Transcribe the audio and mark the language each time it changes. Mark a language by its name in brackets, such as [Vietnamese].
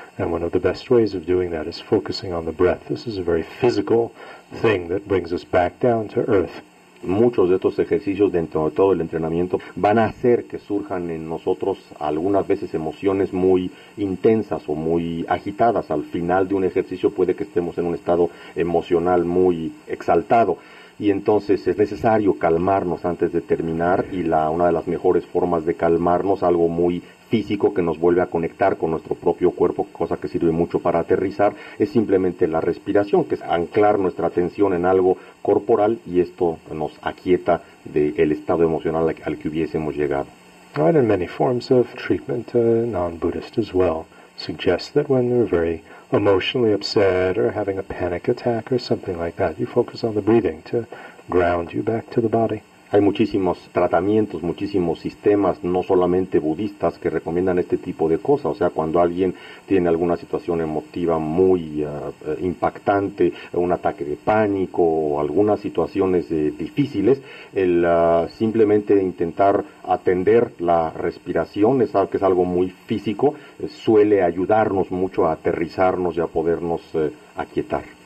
[English] And one of the best ways of doing that is focusing on the breath. This is a very physical thing that brings us back down to earth. [Spanish] Muchos de estos ejercicios dentro de todo el entrenamiento van a hacer que surjan en nosotros algunas veces emociones muy intensas o muy agitadas. Al final de un ejercicio puede que estemos en un estado emocional muy exaltado. Y entonces es necesario calmarnos antes de terminar, y una de las mejores formas de calmarnos, algo muy físico que nos vuelve a conectar con nuestro propio cuerpo, cosa que sirve mucho para aterrizar, es simplemente la respiración, que es anclar nuestra atención en algo corporal, y esto nos aquieta del estado emocional al que hubiésemos llegado. [English] Right, and many forms of treatment, non-Buddhist as well, suggest that when they're very emotionally upset or having a panic attack or something like that, you focus on the breathing to ground you back to the body. [Spanish] Hay muchísimos tratamientos, muchísimos sistemas, no solamente budistas, que recomiendan este tipo de cosas. O sea, cuando alguien tiene alguna situación emotiva muy impactante, un ataque de pánico o algunas situaciones difíciles, el simplemente intentar atender la respiración, que es algo muy físico, suele ayudarnos mucho a aterrizarnos y a podernos aquietar.